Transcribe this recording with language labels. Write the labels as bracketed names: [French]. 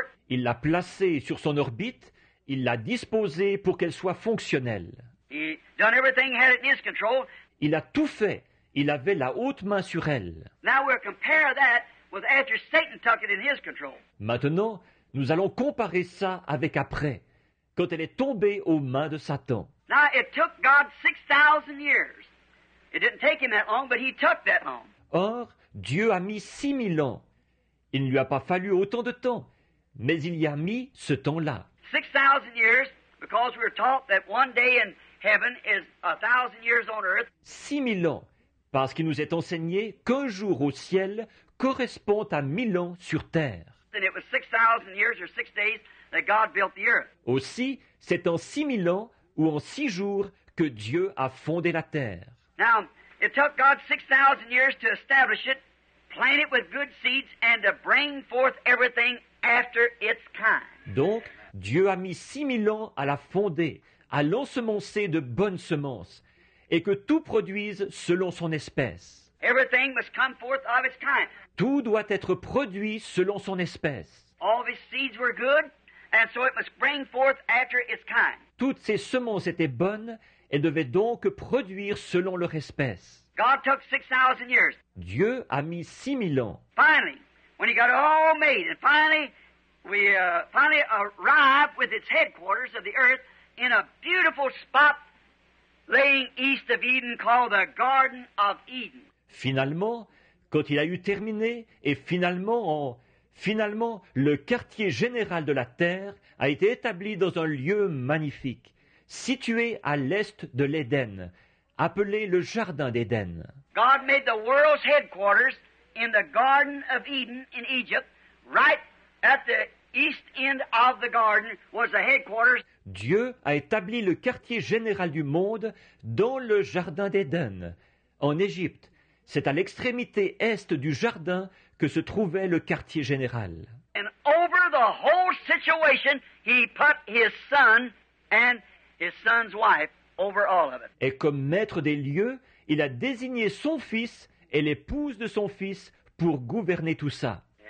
[French] Il l'a placée sur son orbite, il l'a disposée pour qu'elle soit fonctionnelle. [English] He done everything, had it in his control. [French] Il a tout fait, il avait la haute main sur elle. [English] Now we'll compare that with after Satan took it in his control. [French] Maintenant, nous allons comparer ça avec après, quand elle est tombée aux mains de Satan. [English] Now it took God 6,000 years. It didn't take him that long, but he took that long. [French] Or, Dieu a mis 6,000 ans. Il ne lui a pas fallu autant de temps, mais il y a mis ce temps-là. [English] 6,000 years, because we're taught that one day in heaven is 1,000 years on earth. [French] 6,000 ans, parce qu'il nous est enseigné qu'un jour au ciel correspond à 1,000 ans sur terre. [English] Then it was 6,000 years or 6 days that God built the earth. [French] Aussi, c'est en 6,000 ans ou en 6 jours que Dieu a fondé la terre. [English] Now, it took God 6,000 years to establish it, plant it with good seeds, and to bring forth everything after its kind. [French] Donc, Dieu a mis 6,000 ans à la fonder, à l'ensemencer de bonnes semences, et que tout produise selon son espèce. [English] Everything must come forth of its kind. [French] Tout doit être produit selon son espèce. [English] All his seeds were good, and so it must bring forth after its kind. [French] Toutes ses semences étaient bonnes, et devaient donc produire selon leur espèce. [English] God took 6,000 years. [French] Dieu a mis 6,000 ans. [English] Finally, when he got all made, and finally, we arrived with its headquarters of the earth in a beautiful spot laying east of Eden called the Garden of Eden. [French] Finalement, quand il a eu terminé, et finalement, le quartier général de la terre a été établi dans un lieu magnifique, situé à l'est de l'Éden, appelé le Jardin d'Éden. [English] God made the world's headquarters in the Garden of Eden in Egypt, right at the east end of the garden was the headquarters. [French] Dieu a établi le quartier général du monde dans le Jardin d'Éden, en Égypte. C'est à l'extrémité est du jardin que se trouvait le quartier général. [English] And over the whole situation, he put his son and his son's wife over all of it. [French] Et comme maître des lieux, il a désigné son fils et l'épouse de son fils pour gouverner tout ça.